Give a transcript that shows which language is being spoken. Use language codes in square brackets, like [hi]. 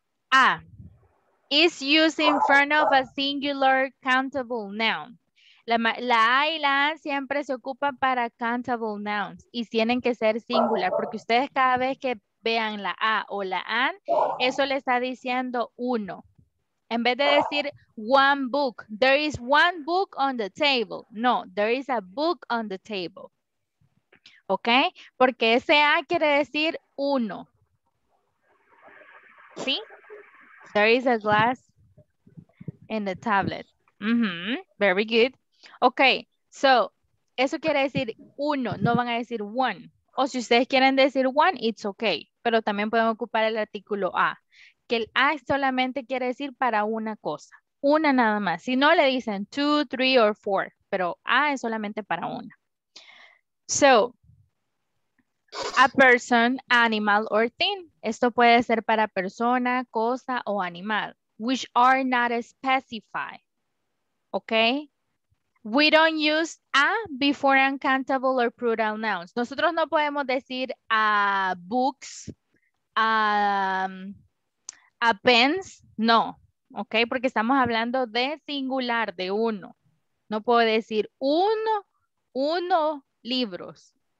[en] A. Is used in front of a singular countable noun. [es] La A y la A siempre se ocupan para countable nouns. Y tienen que ser singular. Porque ustedes cada vez que vean la A o la AN, eso le está diciendo uno. En vez de decir [en] one book. There is one book on the table. No, there is a book on the table. [es] ¿Ok? Porque ese A quiere decir uno. [en] ¿Sí? There is a glass in the tablet. Mm-hmm. Very good. [es] Ok, so, eso quiere decir uno. No van a decir one. O si ustedes quieren decir one, [en] it's ok. [es] Pero también pueden ocupar el artículo A. Que el A solamente quiere decir para una cosa. Una nada más. Si no, le dicen [en] two, three, or four. [es] Pero A es solamente para una. [en] So, a person, animal, or thing. [es] Esto puede ser para persona, cosa o animal. [en] Which are not specified. ¿Ok? We don't use a before uncountable or plural nouns. [es] Nosotros no podemos decir a books, a pens, no. ¿Ok? Porque estamos hablando de singular, de uno. No puedo decir uno libros.